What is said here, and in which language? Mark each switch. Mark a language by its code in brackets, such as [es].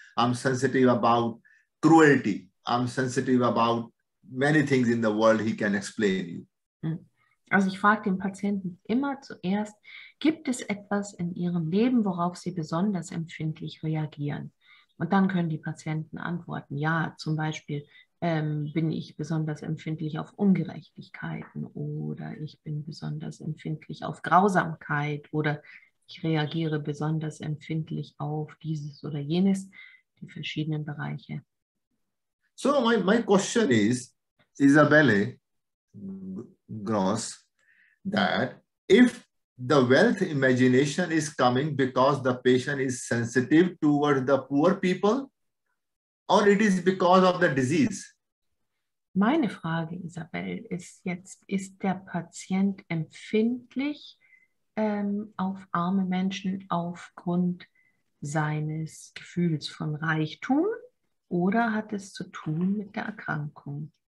[en] I'm sensitive about cruelty. I'm sensitive about many things in the world he can explain you. [de] Also ich frage den Patienten immer zuerst, gibt es etwas in ihrem Leben, worauf sie besonders empfindlich reagieren? Und dann können die Patienten antworten, ja, zum Beispiel bin ich besonders empfindlich auf Ungerechtigkeiten oder ich bin besonders empfindlich auf Grausamkeit oder ich reagiere besonders empfindlich auf dieses oder jenes, die verschiedenen Bereiche. [en] So my question is, Isabelle Gross, that if the wealth imagination is coming because the patient is sensitive towards the poor people, or it is because of the disease? [de] Meine Frage, Isabel, ist jetzt, ist der Patient empfindlich auf arme Menschen aufgrund seines Gefühls von Reichtum, oder hat es zu tun mit der Erkrankung?